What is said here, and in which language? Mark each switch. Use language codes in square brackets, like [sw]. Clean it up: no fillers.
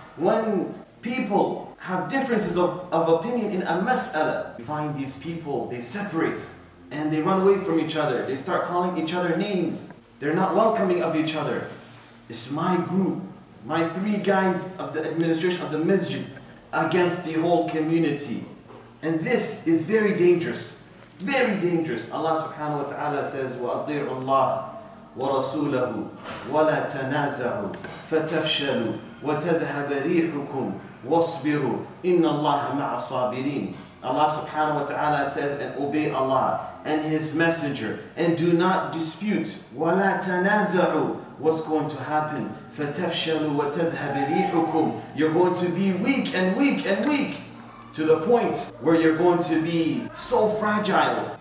[en] When people have differences of opinion in a mas'ala, you find these people, they separate and they run away from each other. They start calling each other names. They're not welcoming of each other. It's my group, my three guys of the administration of the masjid against the whole community. And this is very dangerous, very dangerous. Allah subhanahu wa ta'ala says, [ar] وَأَطِيعُوا اللَّهَ وَرَسُولَهُ وَلَا تَنَازَعُوا فَتَفْشَلُوا وَتَذْهَبَ رِيحُكُمْ وَاصْبِرُوا إِنَّ اللَّهَ مَعَ الصَّابِرِينَ. [en] Allah subhanahu wa ta'ala says, and obey Allah and His Messenger, and do not dispute. [ar] وَلَا تَنَازَعُوا. [en] What's going to happen? [ar] فَتَفْشَلُوا وَتَذْهَبَ رِيحُكُمْ. [en] You're going to be weak and weak and weak, to the point where you're going to be so fragile.